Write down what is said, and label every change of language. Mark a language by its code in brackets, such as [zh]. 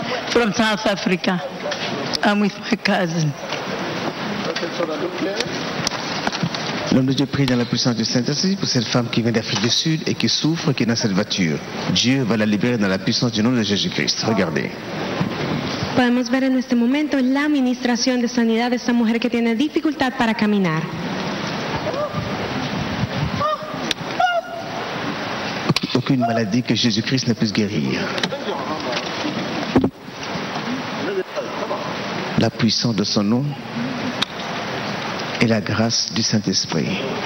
[en] From South Africa. I'm with my cousin. [fr] L'homme de Dieu prie dans la puissance du Saint-Esprit pour cette femme qui vient d'Afrique du Sud et qui souffre, qui est dans cette voiture. Dieu va la libérer dans la puissance du nom de Jésus-Christ. Regardez. [es] Podemos ver en este momento la administración de sanidad de esta mujer que tiene dificultad para caminar. [fr] Aucune maladie que Jésus-Christ ne puisse guérir. La puissance de son nom et la grâce du Saint-Esprit.